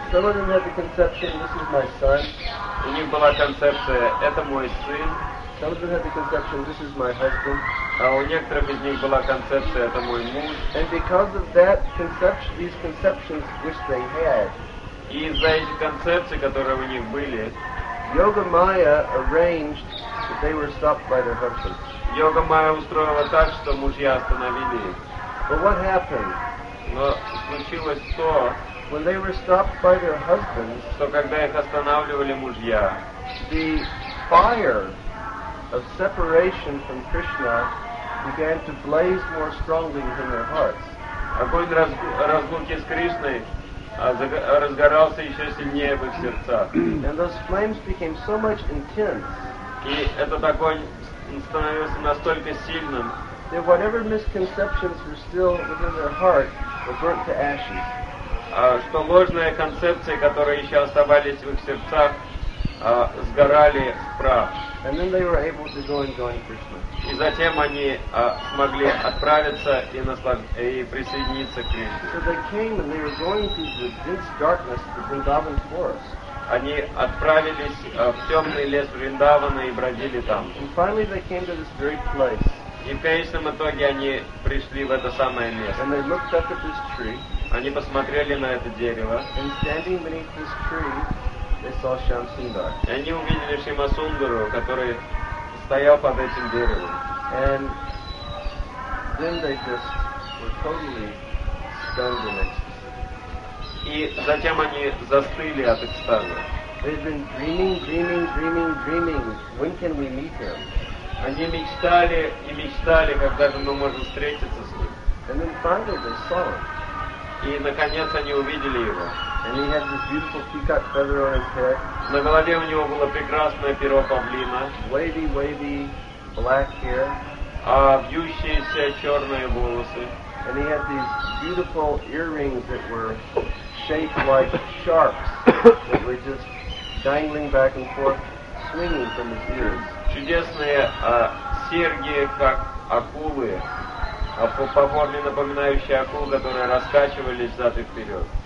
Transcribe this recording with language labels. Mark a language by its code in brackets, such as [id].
[en] Some of them had the conception, this is my son. [ru] У них была концепция, это мой сын. [en] Some of them had the conception, this is my husband. [ru] А у некоторых из них была концепция, это мой муж. [en] And because of that conception, these conceptions which they had. [ru] И из-за этих концепций, которые у них были, [en] Yoga Maya arranged that they were stopped by their husbands. [ru] Йога Майя устроила так, что мужья остановили их. [en] But what happened? [ru] Но случилось то, [en] when they were stopped by their husbands, [ru] что когда их останавливали мужья, [en] the fire of separation from Krishna began to blaze more strongly within their hearts. [ru] Огонь разлуки с Кришной разгорался еще сильнее в их сердцах. [en] And those flames became so much intense. [ru] И этот огонь становился настолько сильным. [en] That whatever misconceptions were still within their heart were burnt to ashes. [ru] Что ложные концепции, которые еще оставались в их сердцах, сгорали в прах. [en] And then they were able to go and join Krishna. [ru] И затем они смогли отправиться и присоединиться к Кришне. [en] So they came and they were going through the dense darkness of the Vrindavan forest. [ru] Они отправились в темный лес Вриндавана и бродили там. [en] And finally they came to this great place. [ru] И в конечном итоге они пришли в это самое место. [en] And they looked up at this tree. [ru] Они посмотрели на это дерево. [en] And standing beneath this tree, they saw Shyamasundar. [ru] И они увидели Шимасундару, который стоял под этим деревом. [en] And then they just were totally stunned in ecstasy. [ru] И затем они застыли от экстаза. [en] They've been dreaming. When can we meet him? [ru] Они мечтали и мечтали, когда же мы можем встретиться с ним. [en] And then finally they saw him. [ru] И наконец они увидели его. [en] And he had this beautiful peacock feather on his head. [ru] На голове у него было прекрасное перо павлина. [en] Wavy black hair. [ru] Вьющиеся черные волосы. [en] And he had these beautiful earrings that were shaped like sharks that were just dangling back and forth, swinging from his ears. [ru] Чудесные серьги, как акулы, по форме напоминающие акул, которые раскачивались взад и вперед.